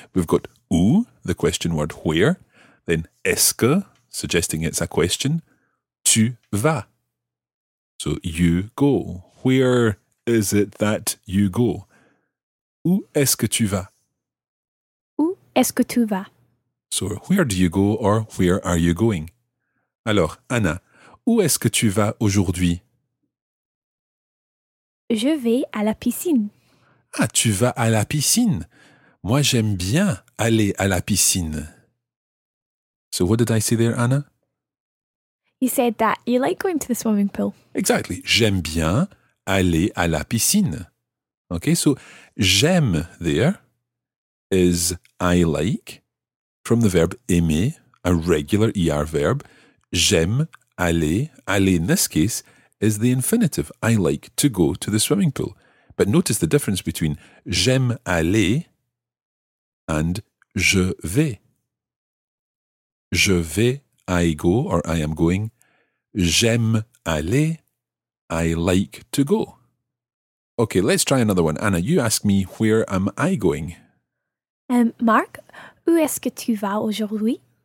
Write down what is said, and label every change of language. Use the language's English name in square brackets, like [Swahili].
[English] We've got où, the question word where, then est-ce que, suggesting it's a question, [French] tu vas. [English] So you go. Where is it that you go? [French] Où est-ce que tu vas? Où est-ce que tu vas? [English] So where do you go or where are you going? [French] Alors, Anna, où est-ce que tu vas aujourd'hui? Je vais à la piscine. Ah, tu vas à la piscine. Moi, j'aime bien aller à la piscine. [English] So what did I say there, Anna? You said that you like going to the swimming pool. Exactly. [French] J'aime bien aller à la piscine. [English] Okay, so j'aime there is I like from the verb aimer, a regular ER verb. [French] J'aime aller. [English] Aller in this case is the infinitive. I like to go to the swimming pool. But notice the difference between [French] j'aime aller [English] and [French] je vais. Je vais, [English] I go, or I am going. [French] J'aime aller, [English] I like to go. Okay, let's try another one. Anna, you ask me, where am I going? [French] Marc, où est-ce que tu vas aujourd'hui?